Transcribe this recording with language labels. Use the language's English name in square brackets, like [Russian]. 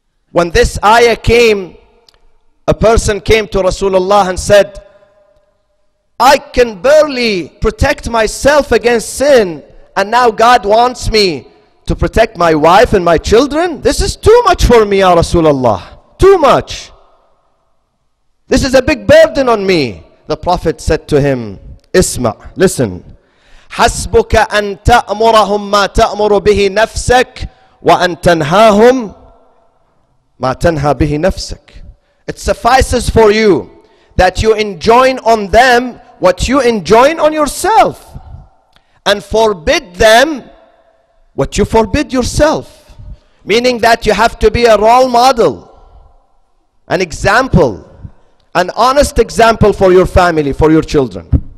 [English] When this ayah came, a person came to Rasulullah and said, I can barely protect myself against sin, and now God wants me to protect my wife and my children? This is too much for me, Ya Rasulullah. Too much. This is a big burden on me. The Prophet said to him, Isma, listen. [Arabic] حسبك أن تأمرهم ما تأمر به نفسك وأن تنهاهم ما تنهى به نفسك. [English] It suffices for you that you enjoin on them what you enjoin on yourself, and forbid them what you forbid yourself. Meaning that you have to be a role model, an example, an honest example for your family, for your children.